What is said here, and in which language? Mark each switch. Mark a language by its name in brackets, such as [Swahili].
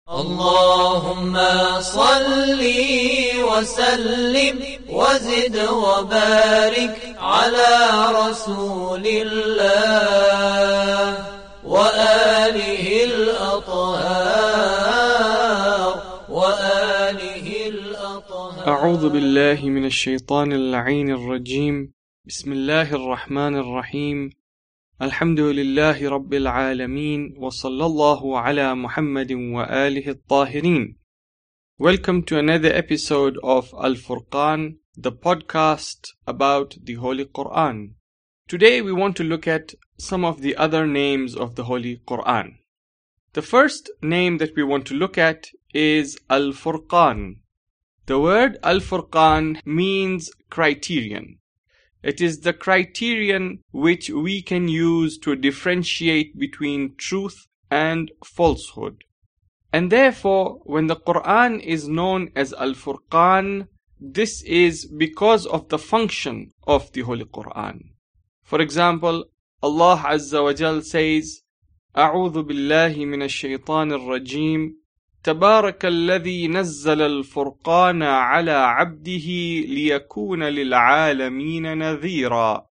[Arabic] اللهم صلي وسلم وزد وبارك على رسول الله وآله الأطهار وآله الأطهار. أعوذ بالله من الشيطان اللعين الرجيم. بسم الله الرحمن الرحيم. الحمد لله رب العالمين وصلى الله على محمد وآله الطاهرين. [English] Welcome to another episode of Al-Furqan, the podcast about the Holy Quran. Today we want to look at some of the other names of the Holy Quran. The first name that we want to look at is Al-Furqan. The word Al-Furqan means criterion. It is the criterion which we can use to differentiate between truth and falsehood. And therefore, when the Quran is known as Al-Furqan, this is because of the function of the Holy Quran. For example, Allah Azza wa Jal says, [Arabic] أَعُوذُ بِاللَّهِ مِنَ الشَّيْطَانِ الرَّجِيمِ تبارك الذي نزل الفرقان على عبده ليكون للعالمين نذيرا.